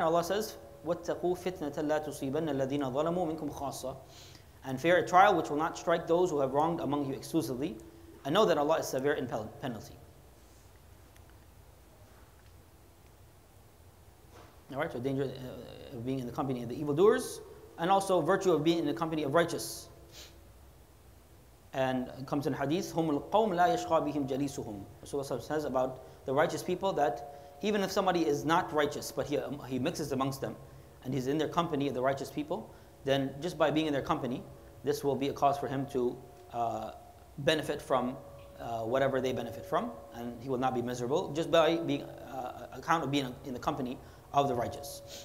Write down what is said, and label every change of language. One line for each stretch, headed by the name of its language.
English: Allah says,
Arabic: وَاتَّقُوا فِتْنَةَ لَا تُصِيبَنَّ الَّذِينَ ظَلَمُوا مِنْكُمْ خَاصَّةً.
English: And fear a trial which will not strike those who have wronged among you exclusively. and know that Allah is severe in penalty. All right, so danger of being in the company of the evildoers, and also virtue of being in the company of righteous. And it comes in hadith,
Arabic: هُمُ الْقَوْمُ لَا يَشْقَى بِهِمْ جَلِيسُهُمْ.
English: Rasulullah says about the righteous people that even if somebody is not righteous, but he mixes amongst them, and he's in their company of the righteous people, then just by being in their company, this will be a cause for him to benefit from whatever they benefit from, and he will not be miserable, just by being account of being in the company of the righteous.